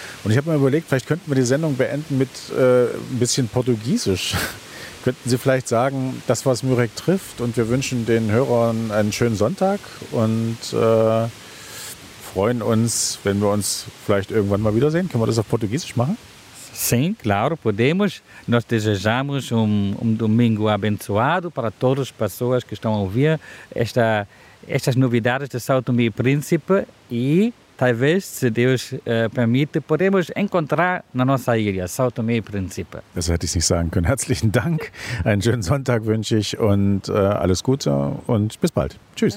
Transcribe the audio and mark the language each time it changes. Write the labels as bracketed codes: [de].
[de] Und ich habe mir überlegt, vielleicht könnten wir die Sendung beenden mit ein bisschen Portugiesisch. Könnten Sie vielleicht sagen, das, was Mürek trifft. Und wir wünschen den Hörern einen schönen Sonntag. Und freuen uns, wenn wir uns vielleicht irgendwann mal wiedersehen. Können wir das auf Portugiesisch machen? [pt] Sim, claro, podemos. Nós desejamos domingo abençoado para todas as pessoas que estão a ouvir estas novidades de São Tomé e Príncipe e talvez, se Deus permite, podemos encontrar na nossa ilha, São Tomé e Príncipe. [de] Das hätte ich nicht sagen können. Herzlichen Dank. Einen schönen Sonntag wünsche ich und alles Gute und bis bald. Tschüss.